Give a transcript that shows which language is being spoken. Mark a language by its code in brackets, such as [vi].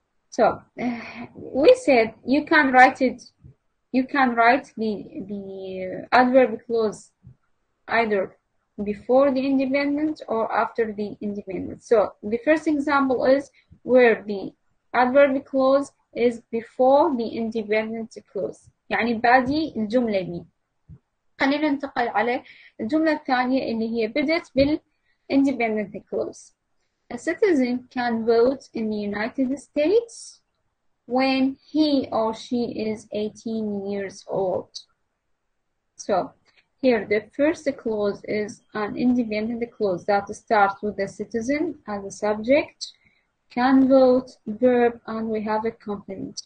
[en] So we said you can write it, you can write the adverb clause either before the independent or after the independent. So the first example is where the adverb clause is before the independent clause. [ar] يعني بعدي الجملة دي. خلينا ننتقل على الجملة الثانية اللي هي بدأت بالindependent clause. [en] A citizen can vote in the United States when he or she is 18 years old. So here the first clause is an independent clause that starts with the citizen as a subject, can vote, verb, and we have a complement.